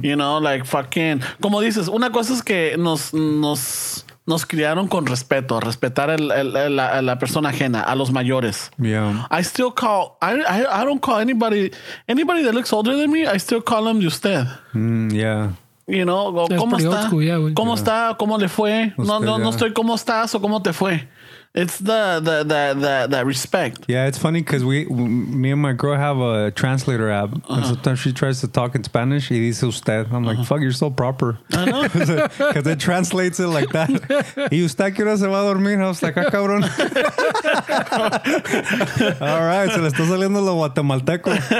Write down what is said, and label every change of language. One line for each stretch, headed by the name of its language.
Spanish: you know, like fucking, como dices, una cosa es que nos criaron con respeto, respetar la persona ajena, a los mayores.
English: Yeah. I still call, I don't call anybody that looks older than me, I still call them de usted. Yeah.
Spanish: You know, ¿cómo está? ¿Cómo está? ¿Cómo le fue? No estoy, ¿cómo estás o cómo te fue?
English: It's the respect. Yeah, it's funny because me and my girl have a translator app. Uh-huh. And sometimes she tries to talk in Spanish. Y dice usted. I'm like, fuck, you're so proper. I know. Because it translates it like that.
Spanish: Y usted que hora se va a dormir. I was like, ah, cabrón. All right, se le está saliendo lo guatemalteco.